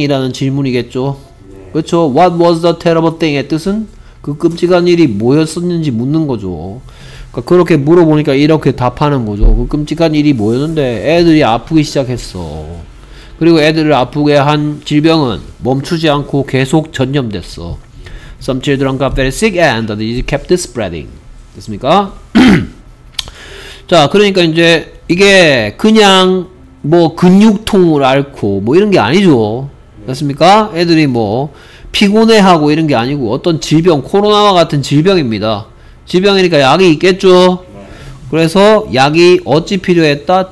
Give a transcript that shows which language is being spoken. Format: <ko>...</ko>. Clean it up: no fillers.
<ko>이라는 질문이겠죠. 그렇죠?</ko> <en>What was the terrible thing?</en> <ko>의 뜻은 그 끔찍한 일이 뭐였었는지 묻는 거죠. 그러니까 그렇게 물어보니까 이렇게 답하는 거죠. 그 끔찍한 일이 뭐였는데 애들이 아프기 시작했어. 그리고 애들을 아프게 한 질병은 멈추지 않고 계속 전염됐어.</ko> <en>Some children got very sick and the disease kept spreading.</en> <ko>됐습니까? 자, 그러니까 이제 이게 그냥 뭐 근육통을 앓고 뭐 이런 게 아니죠. 됐습니까? 애들이 뭐 피곤해하고 이런 게 아니고 어떤 질병, 코로나와 같은 질병입니다. 질병이니까 약이 있겠죠. 그래서 약이 어찌 필요했다?</ko>